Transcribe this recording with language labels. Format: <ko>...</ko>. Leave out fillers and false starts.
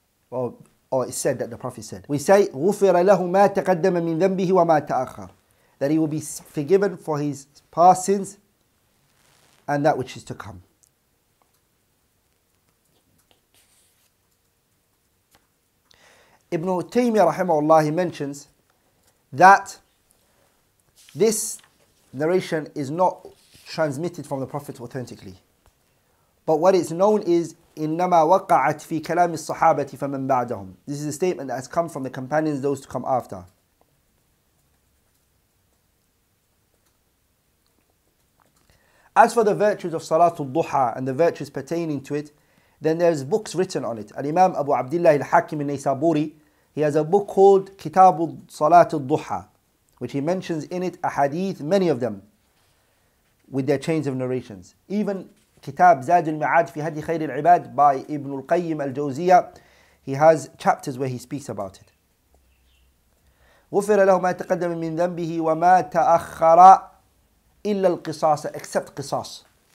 <en>Or it's said that the Prophet said. We say,</en> <ar>غُفِرَ لَهُ مَا تَقَدَّمَ مِنْ ذَنْبِهِ وَمَا تَأَخَّرَ,</ar> <en>that he will be forgiven for his past sins and that which is to come. Ibn Taymiyyah rahimahullah, he mentions that this narration is not transmitted from the Prophet authentically. But what is known is</en> <ar>إِنَّمَا وَقَعَتْ فِي كَلَامِ الصَّحَابَةِ فَمَنْ بَعْدَهُمْ.</ar> <en>This is a statement that has come from the companions, those to come after. As for the virtues of Salatul Duha and the virtues pertaining to it, then there's books written on it. Al-Imam Abu Abdullah al-Hakim al-Naysaburi, he has a book called Kitab Salatul Duha, which he mentions in it a hadith, many of them, with their chains of narrations. Even Kitab Zad al-Ma'ad fi Hadi Khayr al-Ibad by Ibn al-Qayyim al-Jawziyah, he has chapters where he speaks about it.</en> <ar>غُفِرَ لَهُ مَا تَقَدَّمَ مِنْ ذَنْبِهِ وَمَا تَأَخَّرَ إِلَّا الْقِصَاصَ,</ar> <en>except qisas.</en>